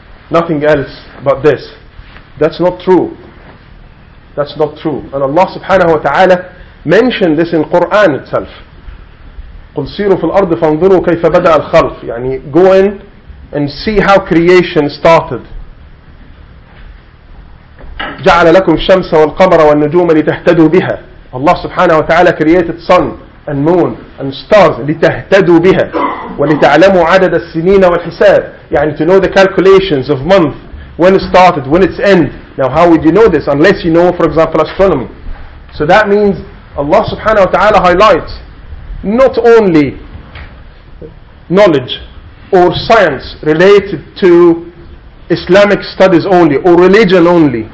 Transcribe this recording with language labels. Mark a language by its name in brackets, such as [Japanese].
[English] Nothing else but this. That's not true. That's not true. And Allah subhanahu wa ta'ala mentioned this in Quran itself. [Arabic] قُلْ سِيرُوا فِي الْأَرْضِ فَانْظُرُوا كَيْفَ بَدَأَ الْخَلْفِ. [English] يعني go in and see how creation started. [Arabic] جعل لكم الشمس والقمر والنجوم لتهتدوا بها. [English] Allah subhanahu wa ta'ala created sun and moon and stars [Arabic] لتهتدوا بها ولتعلموا عدد السنين والحساب. [English] يعني to know the calculations of month, when it started, when it's end. Now how would you know this unless you know, for example, astronomy? So that means Allah subhanahu wa ta'ala highlights not only knowledge or science related to Islamic studies only or religion only.